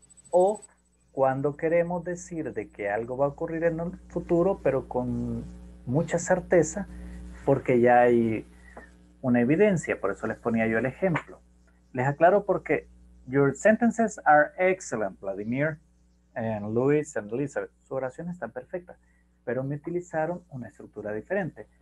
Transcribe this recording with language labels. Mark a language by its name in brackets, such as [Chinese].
[Spanish] O cuando queremos decir de que algo va a ocurrir en el futuro, pero con mucha certeza, porque ya hay una evidencia, por eso les ponía yo el ejemplo. [English] Les aclaro porque your sentences are excellent, Vladimir, and Luis, and Elizabeth. [Spanish] Su oración está perfecta, pero me utilizaron una estructura diferente.